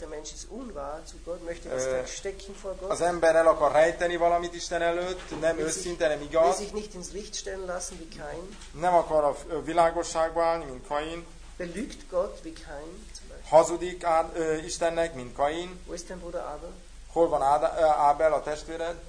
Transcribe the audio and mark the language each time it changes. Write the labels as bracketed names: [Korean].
[German] Der Mensch ist unwahr zu Gott, möchte verstecken vor Gott. [Hungarian] Az ember el akar rejteni valamit Isten előtt, nem őszinte, nem igaz. [German] Will sich nicht ins Licht stellen lassen wie Kain. [Hungarian] Nem akar a világosságba állni, mint Kain. [German] Belügt Gott wie Kain. [Hungarian] Hazudik Istennek, mint Kain. [German] Wo ist dein Bruder Abel? [Hungarian] Hol van Abel, a testvéred?